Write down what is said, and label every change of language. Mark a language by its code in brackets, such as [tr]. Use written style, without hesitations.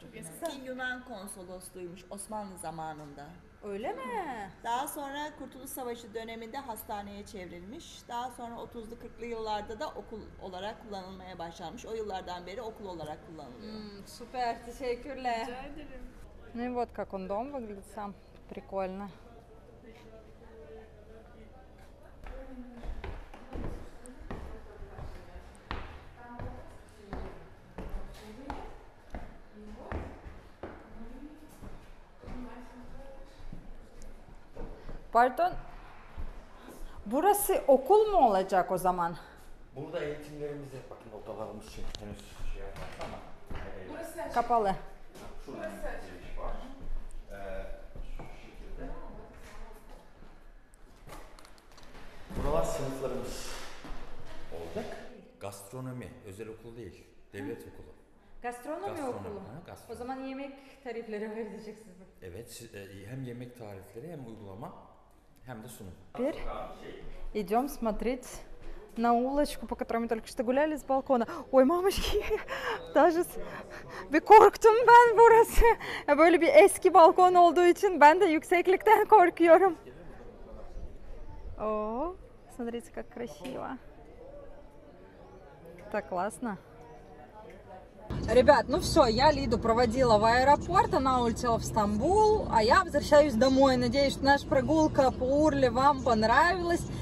[tr] Eski Yunan konsolosluğuymuş Osmanlı zamanında. Öyle mi? Daha sonra Kurtuluş Savaşı döneminde hastaneye çevrilmiş. Daha sonra 30'lu 40'lı yıllarda da okul olarak kullanılmaya başlanmış. O yıllardan beri okul olarak kullanılıyor. Süper, teşekkürler. Rica ederim. [ru] Ну и вот как он дом выглядит сам. Прикольно. [tr] Pardon. Burası okul mu olacak o zaman? Burada eğitimlerimiz hep bakın odalarımız için henüz şey yapmaz ama. Burası açık. Kapalı. Şurada burası bir giriş var. Şu şekilde. Buralar sınıflarımız olacak. Gastronomi, özel okul değil, devlet ha? Okulu. Gastronomi, gastronomi okulu. Ha, gastronomi. O zaman yemek tarifleri vereceksiniz. Evet, hem yemek tarifleri hem uygulama. Hem de sunum. [ru] Bir, идем смотреть на улочку, по которой мы только что гуляли с балкона. Ой, мамочки, даже [tr] bir korktum ben burası. Böyle bir eski balkon olduğu için ben de yükseklikten korkuyorum. [ru] Ооо, смотрите, как красиво. Так классно. Ребят, ну все, я Лиду проводила в аэропорт, она улетела в Стамбул, а я возвращаюсь домой. Надеюсь, что наша прогулка по Урле вам понравилась.